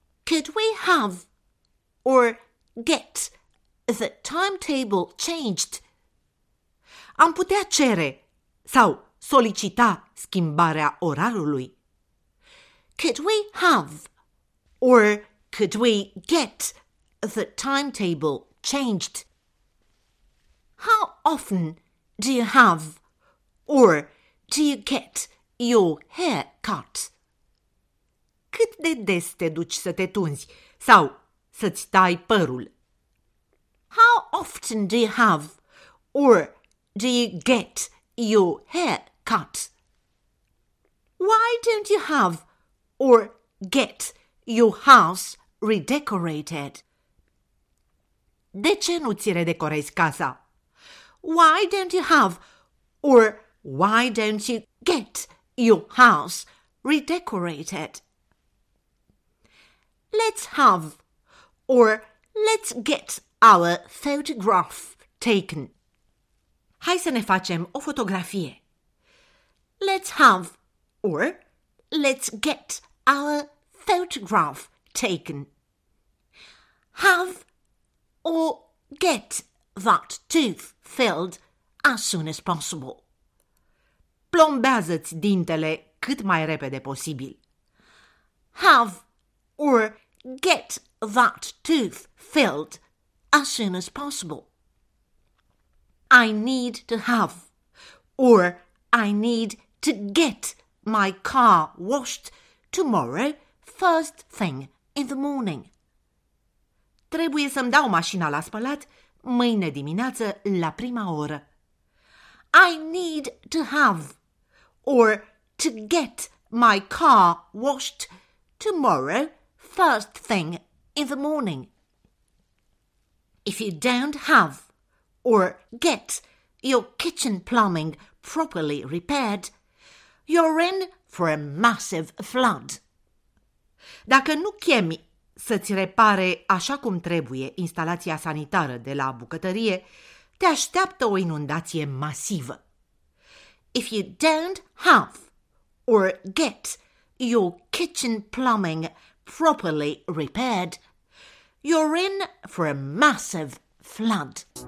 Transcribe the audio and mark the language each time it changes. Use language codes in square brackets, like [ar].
[en] Could we have or get the timetable changed? [ro] Am putea cere sau solicita schimbarea orarului? [en] Could we have or could we get the timetable changed? How often do you have or do you get your hair cut? [ro] Cât de des te duci să te tunzi sau să-ți tai părul? [en] How often do you have or do you get your hair cut? Why don't you have or get your house redecorated? [ro] De ce nu ți redecorezi casa? [en] Why don't you have or why don't you get your house redecorated? Let's have or let's get our photograph taken. [ro] Hai să ne facem o fotografie. [en] Let's have or let's get our photograph taken. Have or get that tooth filled as soon as possible. [ro] Plombează-ți dintele cât mai repede posibil. [en] Have or get that tooth filled as soon as possible. I need to have or I need to get my car washed tomorrow first thing in the morning. [ro] Trebuie să-mi dau mașina la spălat mâine dimineață la prima oră. [en] I need to have or to get my car washed tomorrow first thing in the morning. If you don't have or get your kitchen plumbing properly repaired, you're in for a massive flood. [ro] Dacă nu chemi să-ți repare așa cum trebuie instalația sanitară de la bucătărie, te așteaptă o inundație masivă. [en] If you don't have or get your kitchen plumbing properly repaired, you're in for a massive flood.